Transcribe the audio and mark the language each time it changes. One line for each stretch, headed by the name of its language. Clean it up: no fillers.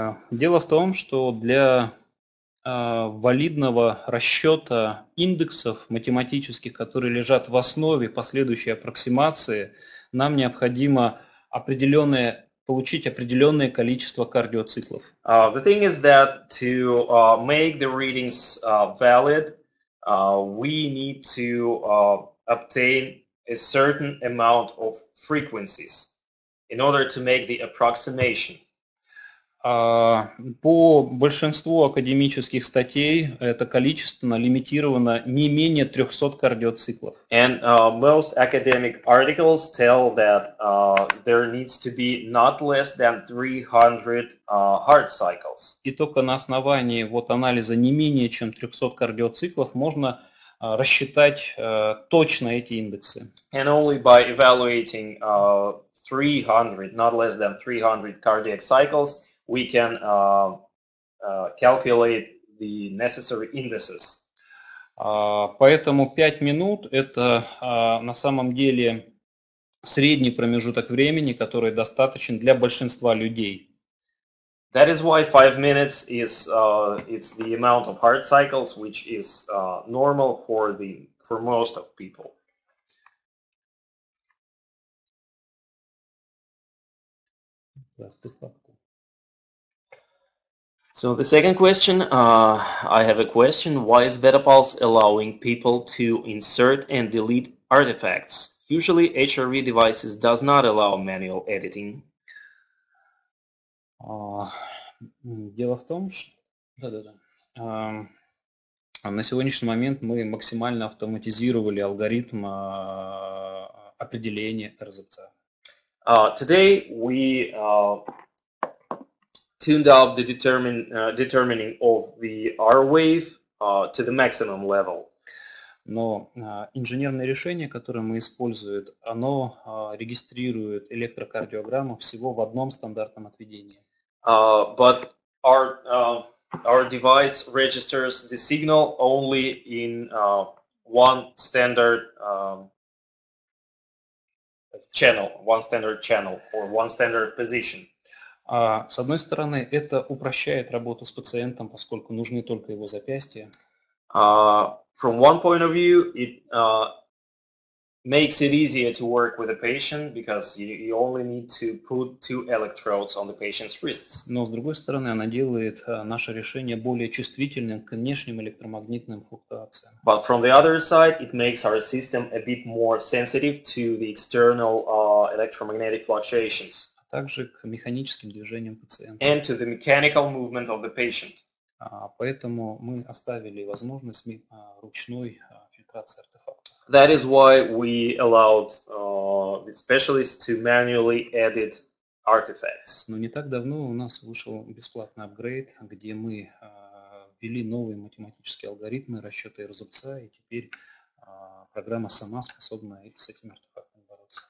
Russian: Дело в том, что для валидного расчета индексов математических, которые лежат в основе последующей аппроксимации, нам необходимо получить определенное количество кардиоциклов.
English: The thing is that to make the readings valid, we need to obtain a certain amount of frequencies in order to make the approximation.
Russian: По большинству академических статей это количество лимитировано не менее 300 кардиоциклов.
English: And most academic articles tell that there needs to be not less than 300 heart cycles.
Russian: И только на основании вот анализа не менее чем 300 кардиоциклов можно рассчитать точно эти индексы.
English: And only by evaluating 300, not less than 300 cardiac cycles, we can calculate the necessary indices.
Russian: Поэтому 5 минут это на самом деле средний промежуток времени, который достаточен для большинства людей.
English: That is why 5 minutes is it's the amount of heart cycles which is normal for most of people. So the second question, I have a question. Why is Betapulse allowing people to insert and delete artifacts? Usually HRV devices does not allow manual editing.
Russian: Дело в том, что на сегодняшний момент мы максимально автоматизировали алгоритм определения RZC.
English: Today we tuned up the determining of the R-wave to the maximum level.
Russian: Но инженерное решение, которое мы используем, оно регистрирует электрокардиограмму всего в одном стандартном отведении.
English: But our device registers the signal only in one standard channel or one standard position.
Russian: С одной стороны, это упрощает работу с пациентом, поскольку нужны только его запястья.
English: From one point of view, it makes it easier to work with a patient because you only need to put two electrodes on the patient's wrists.
Russian: Но, с другой стороны, она делает наше решение более чувствительным к внешним электромагнитным флуктуациям.
English: But from the other side, it makes our system a bit more sensitive to the external electromagnetic fluctuations.
Russian: А также к механическим движениям пациента.
English: And to the mechanical movement of the patient.
Russian: Поэтому мы оставили возможность ручной фильтрации артефактов.
English: That is why we allowed the specialists to manually edit artifacts.
Russian: Но не так давно у нас вышел бесплатный апгрейд, где мы ввели новые математические алгоритмы расчета и резубца, и теперь программа сама способна с этими артефактами бороться.